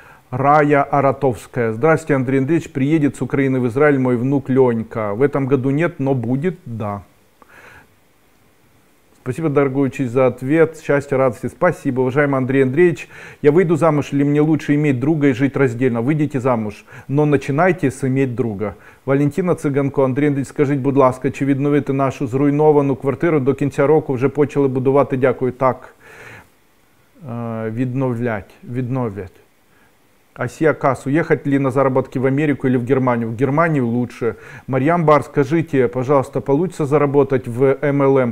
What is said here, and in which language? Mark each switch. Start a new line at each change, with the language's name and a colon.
Russian: Рая Аратовская. Здравствуйте, Андрей Андреевич. Приедет с Украины в Израиль мой внук Ленька. В этом году нет, но будет, да. Спасибо, дорогой учитель, за ответ. Счастья, радости. Спасибо, уважаемый Андрей Андреевич. Я выйду замуж или мне лучше иметь друга и жить раздельно? Выйдите замуж, но начинайте с иметь друга. Валентина Цыганко.
Ukrainian: Андрей Андреевич, скажите, будь ласка, чи відновити нашу зруйновану квартиру до кінця року? Вже почали будувати, дякую. Так, відновлять.
Russian: Асія Кас, уехать ли на заработки в Америку или в Германию? В Германию лучше. Марьям Бар, скажите, пожалуйста, получится заработать в MLM?